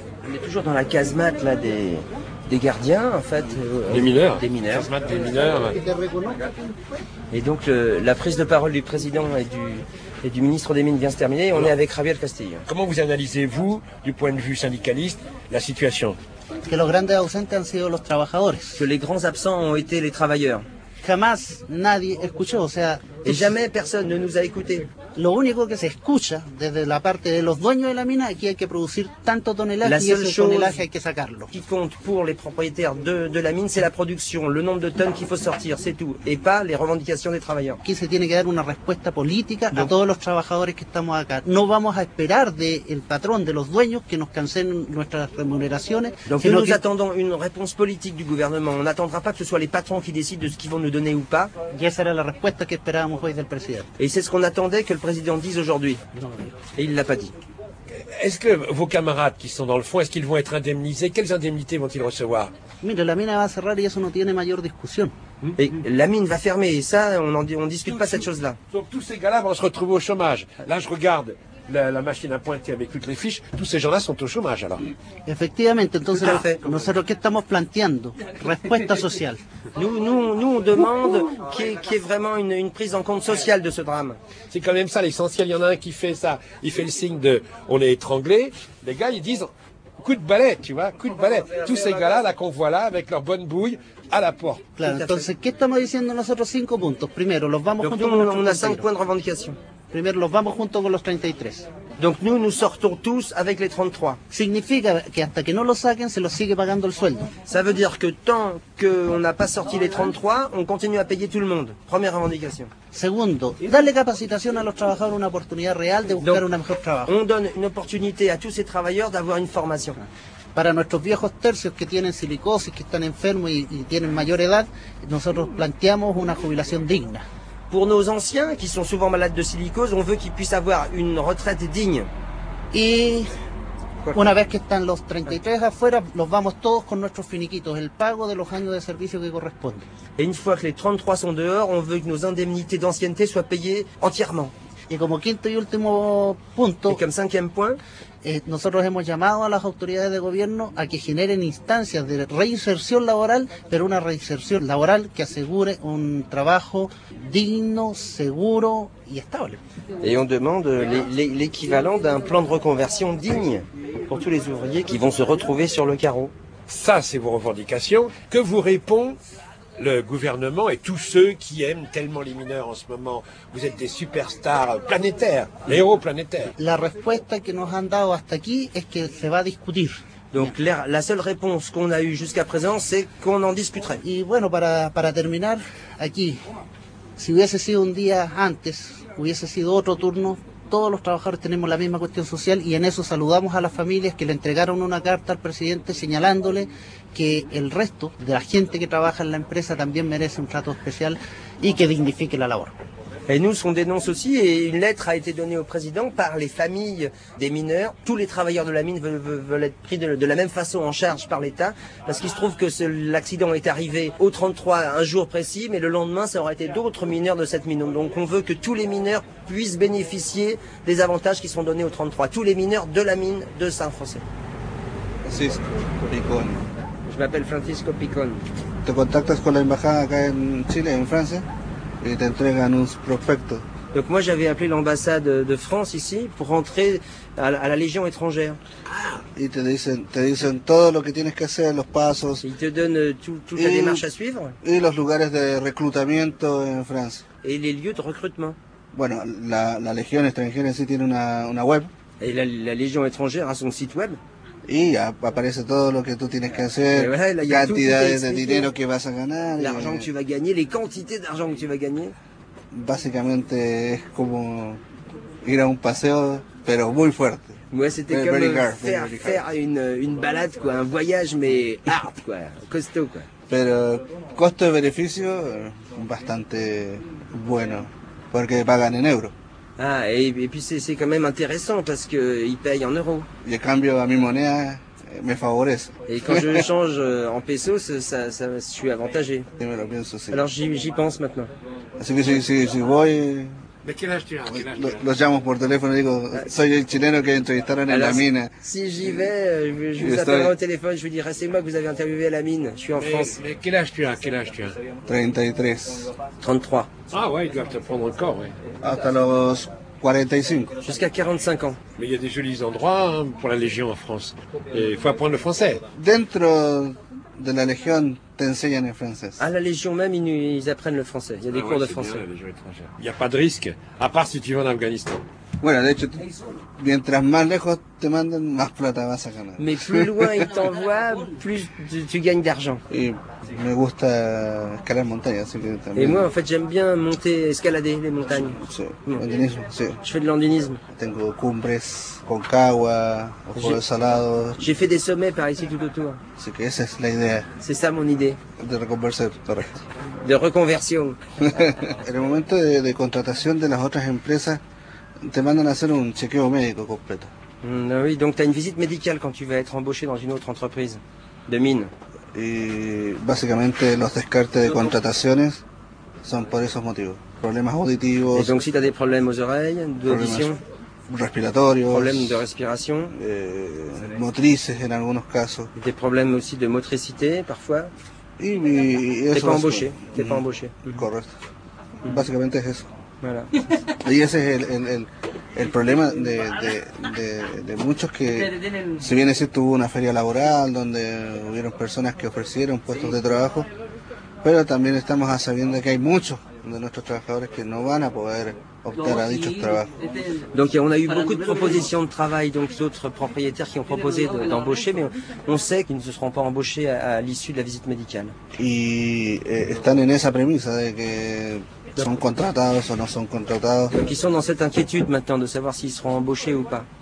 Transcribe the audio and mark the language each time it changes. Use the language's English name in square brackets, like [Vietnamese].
[French] On est toujours dans la casemate là des gardiens, en fait. Des mineurs. Des mineurs. Casemate des mineurs. Et donc la prise de parole du président et du ministre des Mines vient se terminer. Alors, on est avec Javier Castillo. Comment vous analysez-vous, du point de vue syndicaliste, la situation ? [Spanish] Que los grandes ausentes han sido los trabajadores. [French] Que les grands absents ont été les travailleurs. [Spanish] Jamás nadie escuchó, o sea, [French] et jamais personne ne nous a écouté. [Spanish] Lo único que se escucha desde la parte de los dueños de la mina es que hay que producir tanto tonelaje y ese tonelaje hay que sacarlo. [French] Qui compte pour les propriétaires de la mine, c'est la production, le nombre de tonnes qu'il faut sortir, c'est tout, et pas les revendications des travailleurs. [Spanish] Aquí se tiene que dar una respuesta política a todos los trabajadores que estamos acá. No vamos a esperar del patrón, de los dueños, que nos cancelen nuestras remuneraciones. [French] Donc nous attendons une réponse politique du gouvernement. On n'attendra pas que ce soit les patrons qui décident de ce qu'ils vont nous donner ou pas. [Spanish] Y esa era la respuesta que esperábamos hoy del presidente. [French] Et c'est ce qu'on attendait que le président dise aujourd'hui. Et il ne l'a pas dit. Est-ce que vos camarades qui sont dans le fond, est-ce qu'ils vont être indemnisés ? Quelles indemnités vont-ils recevoir ? [Spanish] Mire, la mine va cerrar y eso no tiene mayor discusión. [French] Et la mine va fermer, et ça, on discute pas cette chose-là. Donc tous ces gars-là vont se retrouver au chômage. Là, je regarde la machine à pointer avec toutes les fiches. Tous ces gens-là sont au chômage, alors. [Spanish] Effectivamente, entonces, nosotros que estamos planteando, respuesta social. [French] Nous, on demande qu'il y ait vraiment une prise en compte sociale de ce drame. C'est quand même ça, l'essentiel. Il y en a un qui fait ça. Il fait le signe de « on est étranglé ». Les gars, ils disent « coup de balai », tu vois, coup de balai. Tous ces gars-là, là, qu'on voit là, avec leur bonne bouille, à la porte. [Spanish] Claro, entonces, ¿qué estamos diciendo nosotros cinco puntos? Primero, los vamos juntos. [French] Donc, on a cinq points de revendication. [Spanish] Primero, los vamos junto con los 33. [French] Donc, nous sortons tous avec les 33. [Spanish] Significa que hasta que no lo saquen, se los sigue pagando el sueldo. [French] Ça veut dire que tant qu'on n'a pas sorti les 33, on continue à payer tout le monde. Première revendication. [Spanish] Segundo, darle capacitación a los trabajadores una oportunidad real de buscar un mejor trabajo. [French] On donne une opportunité à tous ces travailleurs d'avoir une formation. [Spanish] Para nuestros viejos tercios que tienen silicosis, que están enfermos y tienen mayor edad, nosotros planteamos una jubilación digna. [French] Pour nos anciens qui sont souvent malades de silicose, on veut qu'ils puissent avoir une retraite digne. Et [Spanish] una vez que están los 33 afuera, los vamos todos con nuestros finiquitos, el pago de los años de servicio que corresponde. [French] Et une fois que les 33 sont dehors, on veut que nos indemnités d'ancienneté soient payées entièrement. [Spanish] Y como quinto y último punto. [French] Et comme cinquième point. [Spanish] Nosotros hemos llamado a las autoridades de gobierno a que generen instancias de reinserción laboral, pero una reinserción laboral que asegure un trabajo digno, seguro y estable. [French] Et on demande l'équivalent d'un plan de reconversion digne pour tous les ouvriers qui vont se retrouver sur le carreau. Ça, c'est vos revendications. Que vous répond le gouvernement et tous ceux qui aiment tellement les mineurs en ce moment? Vous êtes des superstars planétaires, les héros planétaires. [Spanish] La respuesta que nos han dado hasta aquí es que se va a discutir. [French] Donc la seule réponse qu'on a eue jusqu'à présent, c'est qu'on en discuterait. [Spanish] Y bueno, para terminar, aquí, si hubiese sido un día antes, hubiese sido otro turno, todos los trabajadores tenemos la misma cuestión social y en eso saludamos a las familias que le entregaron una carta al presidente señalándole que el resto de la gente que trabaja en la empresa también merece un trato especial y que dignifique la labor. [French] Et nous, on dénonce aussi, et une lettre a été donnée au président par les familles des mineurs. Tous les travailleurs de la mine veulent être pris de la même façon en charge par l'État, parce qu'il se trouve que l'accident est arrivé au 33 un jour précis, mais le lendemain, ça aurait été d'autres mineurs de cette mine. Donc on veut que tous les mineurs puissent bénéficier des avantages qui sont donnés au 33, tous les mineurs de la mine de Saint-François. Francisco Picon. Je m'appelle Francisco Picon. Tant [Spanish] te contactas con la embajada acá en Chile, en Francia, y te entregan un prospecto. [French] Donc moi j'avais appelé l'ambassade de France ici pour rentrer à la Légion étrangère. [Spanish] Ah, [French] ils te disent [Spanish] todo lo que tienes que hacer, los pasos. [French] Ils te donnent toute la démarche à suivre. [Spanish] Y los lugares de reclutamiento en France. [French] Et les lieux de recrutement. [Spanish] Bueno, la Légion étrangère [French] ici [Spanish] tiene una web. [French] Et la Légion étrangère a son site web. [Spanish] Y aparece todo lo que tú tienes que hacer, [French] voilà, [Spanish] cantidades de dinero que vas a ganar. [French] L'argent que tu vas gagner, les quantités d'argent que tu vas gagner. [Spanish] Básicamente es como ir a un paseo, pero muy fuerte. [French] Ouais, c'était comme faire une balade, quoi, un voyage, mais hard, quoi, costaud, quoi. [Spanish] Pero costo de beneficio bastante bueno, porque pagan en euros. [French] Ah, et puis c'est quand même intéressant parce qu'ils payent en euros. [Spanish] Y el cambio a mi moneda me favorece. [French] Et quand je change en pesos, ça, je suis avantagé. [Spanish] Y me lo pienso, sí. [French] Alors j'y pense maintenant. [Spanish] Así que si voy, ¿de quién has tirado? Los llamo por teléfono y digo, soy el chileno que entrevistaron en la mina. [French] Si j'y vais, je vous appellerai au téléphone, je vous dirai, c'est moi que vous avez interviewé à la mine, je suis en France. Mais quel âge tu as? 33. 33. Ah ouais, ils doivent te prendre le corps, oui. [Spanish] Hasta los 45. [French] Jusqu'à 45 ans. Mais il y a des jolis endroits hein, pour la Légion en France. Et il faut apprendre le français. [Spanish] Dentro de la Légion, [French] t'enseignent en français. À la Légion même, ils apprennent le français. Il y a des cours de français. Bien, la Légion étrangère. Il n'y a pas de risque, à part si tu vas en Afghanistan. [Spanish] Bueno, de hecho, mientras más lejos te mandan, más plata vas a ganar. [French] Mais plus loin ils t'envoient, plus tu gagnes d'argent. [Spanish] Y me gusta escalar montañas, así que también. [French] Et moi, en fait, j'aime bien monter, escalader les montagnes. [Spanish] Sí, l'andinisme, sí. [French] Je fais de l'andinisme. [Spanish] Tengo cumbres, Aconcagua, Ojo de Salado. [French] J'ai fait des sommets par ici tout autour. [Spanish] Así que esa es la idea. [French] C'est ça mon idée. [Spanish] De reconversión, correcto. De reconversión. En el momento de contratación de las otras empresas, te mandan a hacer un chequeo médico completo. [French] Mm, oui, donc tu as une visite médicale quand tu vas être embauché dans une autre entreprise de mine. [Spanish] Y básicamente los descartes de contrataciones son por esos motivos. Problemas auditivos. [French] Et donc si tu as des problèmes aux oreilles, d'audition, [Spanish] respiratorios, [French] problèmes de respiration, [Spanish] motrices en algunos casos. [French] Et des problèmes aussi de motricité parfois. [Spanish] Y [French] eso t'es pas embauché. T'es pas embauché. [Spanish] Correcto. Mm. Básicamente es eso. [French] Voilà. [Spanish] Y ese es el problema de muchos que, si bien es cierto, hubo una feria laboral donde hubieron personas que ofrecieron puestos de trabajo, pero también estamos sabiendo que hay muchos de nuestros trabajadores que no van a poder optar a dichos trabajos. [French] Donc on a eu beaucoup de propositions de travail, donc d'autres propriétaires qui ont proposé d'embaucher, mais on sait qu'ils ne se seront pas embauchés à l'issue de la visite médicale. [Spanish] Y están en esa premisa de que son contratados o no son contratados. [French] Donc ils sont dans cette inquiétude maintenant de savoir s'ils seront embauchés ou pas.